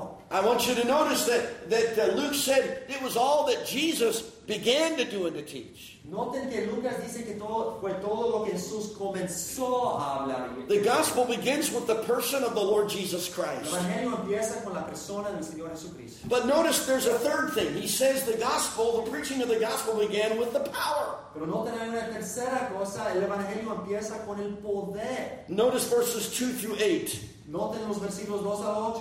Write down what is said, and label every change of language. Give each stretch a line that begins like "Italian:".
English: I want you to notice that Luke said it was all that Jesus began to do and to teach.
Spanish: Noten que Lucas dice que fue todo lo que Jesús comenzó a hablar.
English: The gospel begins with the person of the Lord Jesus Christ.
Spanish: El evangelio empieza con la persona del Señor Jesucristo.
English: But notice there's a third thing. He says the gospel, the preaching of the gospel began with the power.
Spanish: Pero noten una tercera cosa, el evangelio empieza con el poder.
English: Notice verses 2 through 8.
Spanish: Noten los versículos 2 al 8.